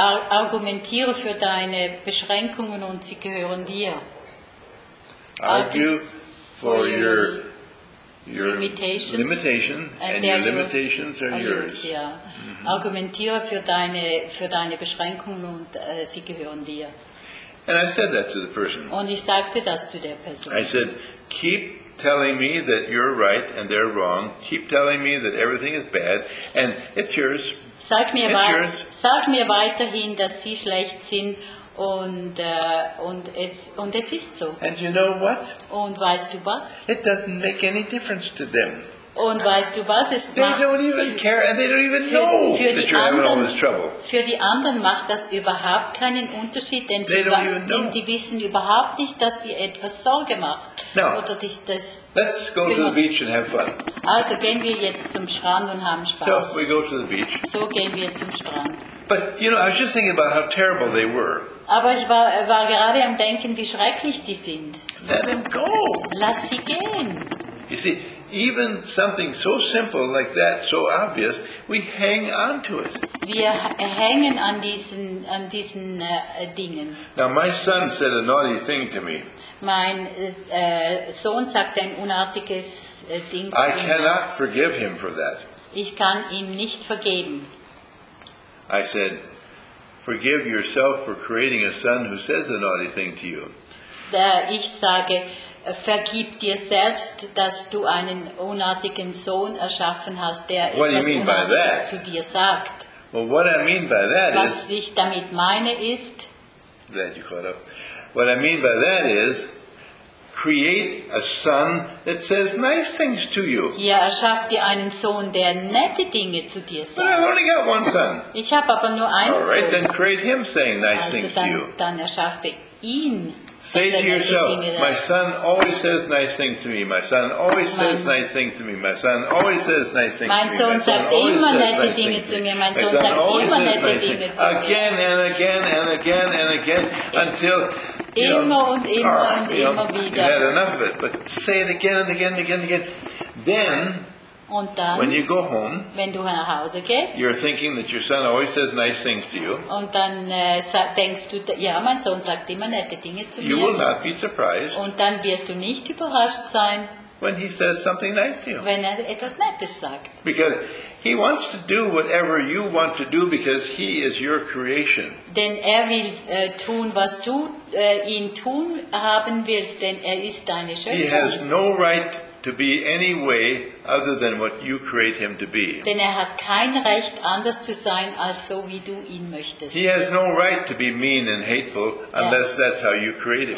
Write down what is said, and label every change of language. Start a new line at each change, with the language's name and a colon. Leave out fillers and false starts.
German: argumentiere für deine Beschränkungen und sie gehören dir.
English: Argue for your limitations and your limitations are yours.
German: Ja. Mm-hmm. Argumentiere für deine Beschränkungen und sie gehören dir.
English: And I said that to the person.
German: Und ich sagte das zu der Person.
English: I said, keep telling me that you're right and they're wrong. Keep telling me that everything is bad and it's yours.
German: Sag mir weiterhin, dass sie schlecht sind und es ist so.
English: And you know what?
German: Und weißt du was?
English: It doesn't make any difference to them.
German: Und weißt du was? Es
English: they don't even care and they don't even know that you're having all this trouble.
German: Für die anderen macht das überhaupt keinen Unterschied, denn die wissen überhaupt nicht, dass dir etwas Sorge macht.
English: Let's go to the beach and have fun.
German: Also gehen wir jetzt zum Strand und haben Spaß.
English: So we go to the beach.
German: So gehen wir zum Strand.
English: But you know, I was just thinking about how terrible they were.
German: Aber ich war gerade am Denken, wie schrecklich die sind.
English: Let them go.
German: Lass sie gehen.
English: You see, even something so simple like that, so obvious, we hang on to it.
German: Wir hängen an diesen Dingen.
English: Now my son said a naughty thing to me.
German: Mein Sohn sagte ein unartiges Ding.
English: I cannot forgive him for that.
German: Ich kann ihm nicht vergeben.
English: I said, forgive yourself for creating a son who says a naughty thing to you.
German: Ich sage, vergib dir selbst, dass du einen unartigen Sohn erschaffen hast, der
English: what
German: etwas Unartiges zu dir sagt.
English: Well, what I mean by that was is,
German: ich damit meine ist,
English: glad you caught up. What I mean by that is, create a son that says nice things to you.
German: Ja, erschaff dir einen Sohn, der nette Dinge zu dir sagt.
English: But I've only got one son.
German: Ich habe aber nur einen Sohn.
English: All right, then create him saying nice things to you.
German: Dann erschaffe ihn.
English: Say to yourself, my son always says nice things to me. My son always says nice things to me. My son always says nice things to me.
German: Mein Sohn sagt immer nette Dinge zu mir. Mein Sohn sagt immer nette Dinge zu mir.
English: Again and again and again and again until
German: immer und immer und immer wieder.
English: You had enough of it, but say it again and again and again and again. Then,
German: und dann,
English: when you go home,
German: wenn du nach Hause gehst,
English: you're thinking that your son always says nice things to you.
German: Und dann denkst du, ja, mein Sohn sagt immer nette Dinge zu
English: you
German: mir.
English: You will not be surprised.
German: Und dann wirst du nicht überrascht sein,
English: when he says something nice to you.
German: Wenn etwas Nettes sagt.
English: Because he wants to do whatever you want to do because he is your creation.
German: Denn will tun, was du ihn tun haben willst, denn ist deine Schöpfung.
English: He has no right to be any way other than what you create him to be.
German: Denn er hat kein Recht, anders zu sein, als so wie du ihn möchtest.
English: He has no right to be mean and hateful unless that's how you create him.